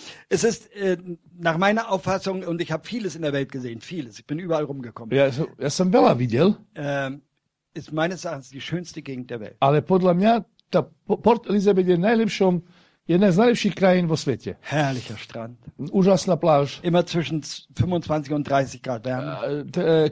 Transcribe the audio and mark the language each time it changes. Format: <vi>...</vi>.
<de>Es ist nach meiner Auffassung, und ich habe vieles in der Welt gesehen, vieles, ich bin überall rumgekommen.</de> <sk>Ja, ja som veľa videl.</sk> <de>Ist meines Erachtens die schönste Gegend der Welt.</de> <sk>Ale podľa mňa, tá Port Elizabeth je najlepšom, jedna z najlepších krajín vo svete.</sk> <de>Herrlicher Strand.</de> <sk>Úžasná pláž.</sk> <de>Immer zwischen 25 und 30 Grad Wärme.</de>